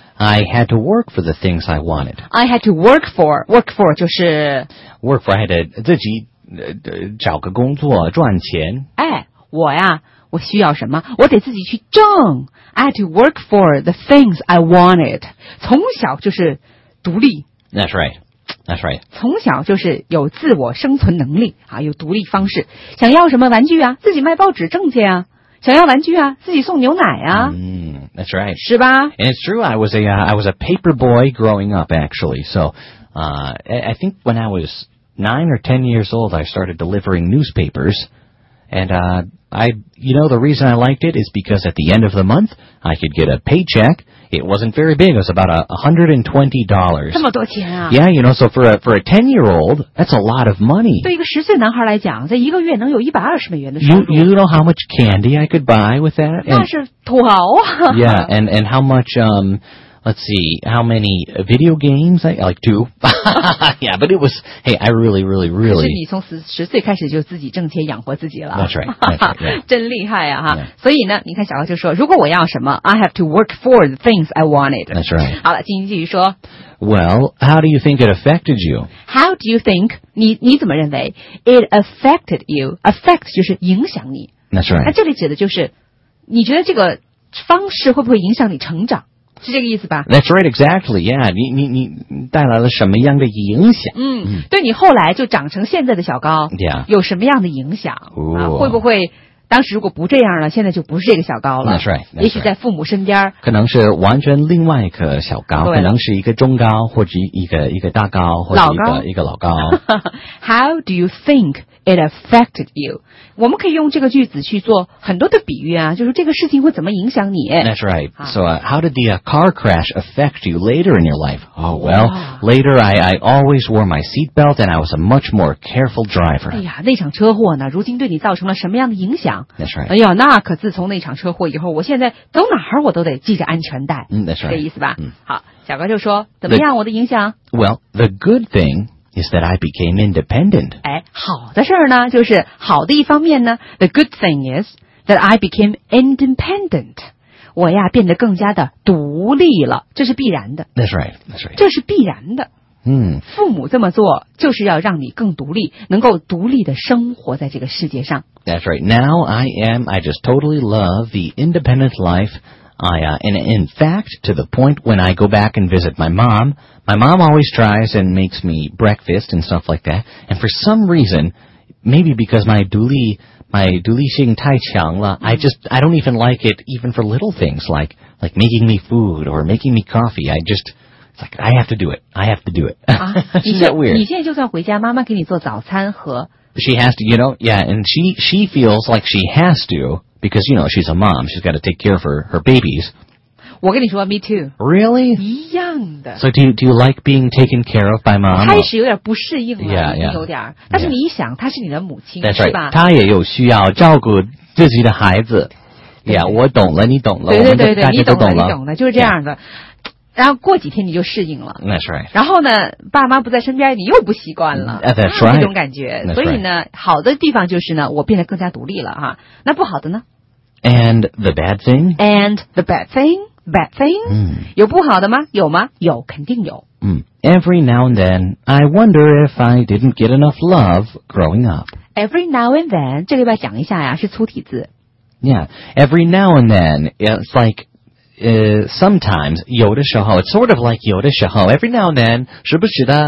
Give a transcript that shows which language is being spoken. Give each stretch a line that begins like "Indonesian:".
English: I had to work for the things I wanted. I had to work for. Work for
Chinese: 就是
English: work for. I had to
Chinese: 自己找个工作赚钱。哎，我呀，我需要什么？我得自己去挣。
English: I had to work for the things I wanted.
Chinese: 从小就是独立。
English: That's right. That's right.
Chinese: 从小就是有自我生存能力啊，有独立方式。想要什么玩具啊？自己卖报纸挣钱啊。想要玩具啊，自己送牛奶啊。
English: 嗯、that's right.
Chinese: 是吧
English: ？And it's true. I was a paper boy growing up, actually. So, I think when I was 9 or 10 years old, I started delivering newspapers. And the reason I liked it is because at the end of the month, I could get a paycheck. It wasn't very big. It was about $120.
Chinese: 这么多钱啊
English: ！Yeah, you know, so for a 10-year-old, that's a lot of money.
Chinese: 对一个十岁男孩来讲，在一个月能有120美元的收入。
English: You know how much candy I could buy with that?
Chinese: 那是土豪啊
English: ！Yeah, and how much let's see, how many video games? Like two. yeah, but it was, hey, I really, really, really.
Chinese: 可是你从十岁开始就自己挣钱养活自己了。
English: That's right. That's right, yeah.
Chinese: 真厉害啊。Yeah. 所以呢你看小高就说如果我要什么
English: I have to work for the things I wanted. That's right.
Chinese: 好了进行继续说。
English: Well, how do you think it affected you? How do you think,
Chinese: 你怎么认为
English: it affected you?
Chinese: Affect 就是影响你。
English: That's right.
Chinese: 那这里指的就是你觉得这个方式会不会影响你成长是这个意思吧
English: That's right, exactly, yeah.
Chinese: 你带来了什么样的影响嗯对你后来就长成现在的小高
English: Yeah.
Chinese: 有什么样的影响、
English: Ooh.
Chinese: 会不会当时如果不这样了现在就不是这个小高了
English: That's right. That's
Chinese: 也许在父母身边。可能是完全另外一个小高可能是一个中高或者一个大高或者一个老高。
English: How do you think it affected you?
Chinese: 我们可以用这个句子去做很多的比喻啊就是这个事情会怎么影响你
English: That's right. So, how did the car crash affect you later in your life? Oh, well, later I always wore my seatbelt and I was a much more careful driver.
Chinese: 哎呀那场车祸呢如今对你造成了什么样的影响
English: That's right.
Chinese: 哎呀，那可自从那场车祸以后，我现在走哪儿我都得系着安全带。
English: 嗯 ，That's right.
Chinese: 这意思吧？嗯，好，小高就说怎么样？我的影响
English: ？Well, the good thing is that I became independent.
Chinese: 哎，好的事儿呢，就是好的一方面呢。
English: The good thing is that I became independent.
Chinese: 我呀变得更加的独立了，这是必然的。
English: That's right. That's right.
Chinese: 这是必然的。嗯，父母这么做就是要让你更独立，能够独立的生活在这个世界上。
English: That's right. Now I just totally love the independent life. And in fact, to the point when I go back and visit my mom always tries and makes me breakfast and stuff like that. And for some reason, maybe because my
Chinese: 独立性太强了、
English: mm-hmm. I don't even like it even for little things like making me food or making me coffee. I have to do it. I have to do it. Isn't that weird?
Chinese: 你现在就算回家，妈妈给你做早餐和。
English: She has to, you know, yeah, and she feels like she has to because, you know, she's a mom. She's got to take care of her babies.
Chinese: 我跟你说
English: me too. Really?
Chinese: 一样的。
English: So do you like being taken care of by mom?
Chinese: 开始有点不适应了
English: yeah, yeah.
Chinese: 有点。但是你一想、yeah. 她是你的母亲
English: That's
Chinese: 是吧、
English: right.
Chinese: 她也有需要照顾自己的孩子。 Yeah, 我懂了你懂了。对对对对大家都懂了。你懂了你懂了就是这样的。Yeah. 然后过几天你就适应了
English: That's right
Chinese: 然后呢爸妈不在身边你又不习惯了
English: That's right
Chinese: 那种感觉、
English: That's、
Chinese: 所以呢、
English: right.
Chinese: 好的地方就是呢我变得更加独立了哈那不好的呢
English: And the bad thing And the bad thing、
Chinese: 嗯、有不好的吗有吗有肯定有
English: Every now and then, I wonder if I didn't get enough love growing up. Every now and then,
Chinese: 这个要不要讲一下呀，是粗体字。
English: Yeah, every now and then, it's like, sometimes,
Chinese: 有的时候
English: it's sort of like 有的时候 every now and then,
Chinese: 时不时的。